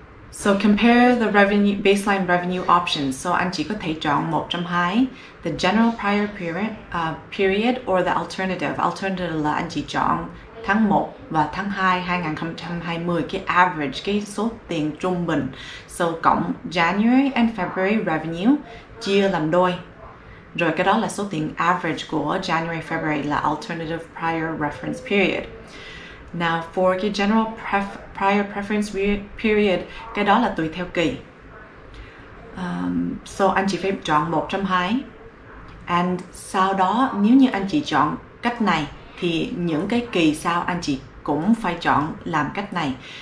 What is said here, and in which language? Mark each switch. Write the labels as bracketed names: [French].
[English] So compare the revenue baseline revenue options. So [Vietnamese] anh chị có thể chọn một trong hai, [English] the general prior period, period or the alternative. [Vietnamese] Alternative là anh chị chọn tháng 1 và tháng 2, 2020, cái average, cái số tiền trung bình. So cộng January and February revenue, chia làm đôi. Rồi cái đó là số tiền average của January, February là [English] alternative prior reference period. [Vietnamese] Now for cái general prior preference period, cái đó là tùy theo kỳ. So anh chị phải chọn một trong hai. And sau đó nếu như anh chị chọn cách này thì những cái kỳ sau anh chị cũng phải chọn làm cách này.